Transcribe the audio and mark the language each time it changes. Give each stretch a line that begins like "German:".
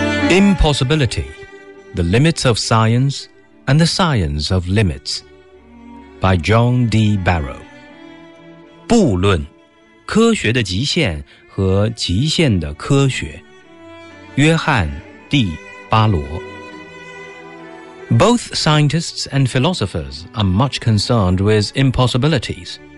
English: Impossibility, The Limits of Science and the Science of Limits by John D. Barrow.
Chinese: 布论，科学的极限和极限的科学，约翰 D. 巴罗。
English: Both scientists and philosophers are much concerned with impossibilities.